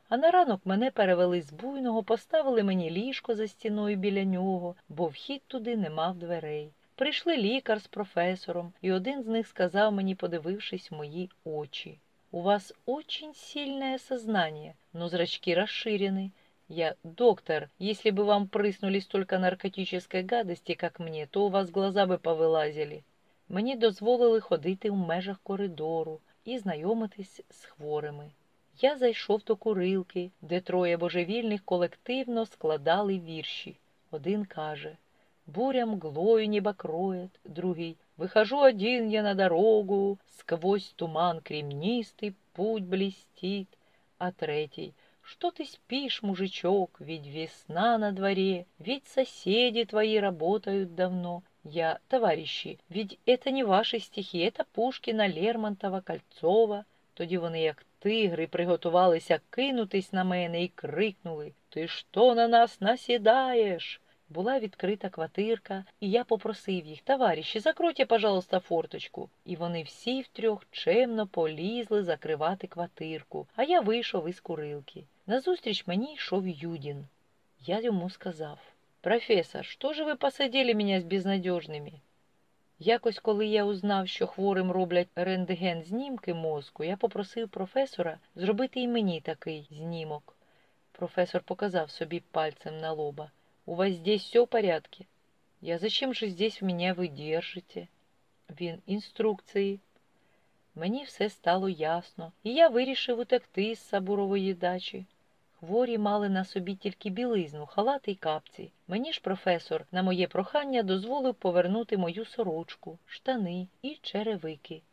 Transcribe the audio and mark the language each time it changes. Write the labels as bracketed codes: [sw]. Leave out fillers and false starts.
[uk] А на ранок мене перевели з буйного, поставили мені ліжко за стіною біля нього, бо вхід туди не мав дверей. Прийшли лікар з професором, і один з них сказав мені, подивившись в мої очі: «У вас [ru] очень [uk] сильне сознання, [ru] но зрачки [uk] розширені». [ru] Я: «Доктор, если бы вам приснули столько наркотической гадости, как мне, то у вас глаза бы повылазили». [uk] Мені дозволили ходити у межах коридору і знайомитись з хворими. Я зайшов до курилки, де троє божевільних колективно складали вірші. Один каже: «Буря мглою ніби кроєт». Другий: [ru] «Вихожу один я на дорогу, сквозь туман крімністий путь блістіт». А третій: «Что ты спишь, мужичок, ведь весна на дворе, ведь соседи твои работают давно». Я: «Товарищи, ведь это не ваши стихи, это Пушкина, Лермонтова, Кольцова». [uk] Тоді вони, як тигри, приготувалися кинутись на мене і крикнули: «Ти що на нас насідаєш?» Була відкрита квартирка, і я попросив їх: [ru] «Товарищи, закройте, пожалуйста, форточку». [uk] І вони всі втрьох чемно полізли закривати квартирку, а я вийшов із курилки. Назустріч мені йшов Юдін. Я йому сказав: «Професор, що ж ви посадили мене з безнадіжними?» Якось, коли я узнав, що хворим роблять рентген-знімки мозку, я попросив професора зробити і мені такий знімок. Професор показав собі пальцем на лоба: [ru] «У вас здесь все в порядке?» «Я: зачем же здесь в мене ви держите?» [uk] «Він: інструкції». Мені все стало ясно, і я вирішив утекти з Сабурової дачі. Хворі мали на собі тільки білизну, халати й капці. Мені ж професор на моє прохання дозволив повернути мою сорочку, штани і черевики.